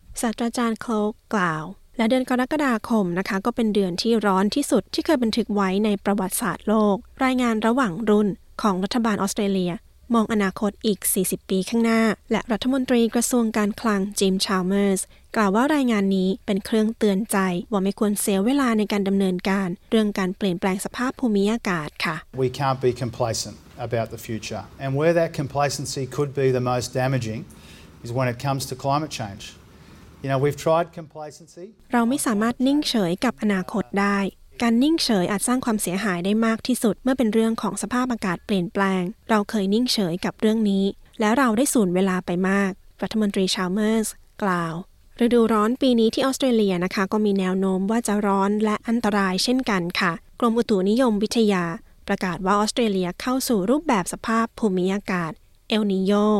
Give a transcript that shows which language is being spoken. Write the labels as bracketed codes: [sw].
[th] ศาสตราจารย์โคลกกล่าวและเดือนกรกฎาคมนะคะก็เป็นเดือนที่ร้อนที่สุดที่เคยบันทึกไว้ในประวัติศาสตร์โลกรายงานระหว่างรุ่นของรัฐบาลออสเตรเลียมองอนาคตอีก40ปีข้างหน้าและรัฐมนตรีกระทรวงการคลังจิมชาลเมอร์สกล่าวว่ารายงานนี้เป็นเครื่องเตือนใจว่าไม่ควรเสียเวลาในการดำเนินการเรื่องการเปลี่ยนแปลงสภาพภูมิอากาศค่ะ [en] We can't be complacent about the future and where that complacency could be the most damaging is when it comes to climate change You know we've tried complacency [th] เราไม่สามารถนิ่งเฉยกับอนาคตได้การนิ่งเฉยอาจสร้างความเสียหายได้มากที่สุดเมื่อเป็นเรื่องของสภาพอากาศเปลี่ยนแปลงเราเคยนิ่งเฉยกับเรื่องนี้แล้วเราได้สูญเวลาไปมากรัฐมนตรีชาลเมอร์สกล่าวฤดูร้อนปีนี้ที่ออสเตรเลียนะคะก็มีแนวโน้มว่าจะร้อนและอันตรายเช่นกันค่ะกรมอุตุนิยมวิทยาประกาศว่าออสเตรเลียเข้าสู่รูปแบบสภาพภูมิอากาศเอลนีโญ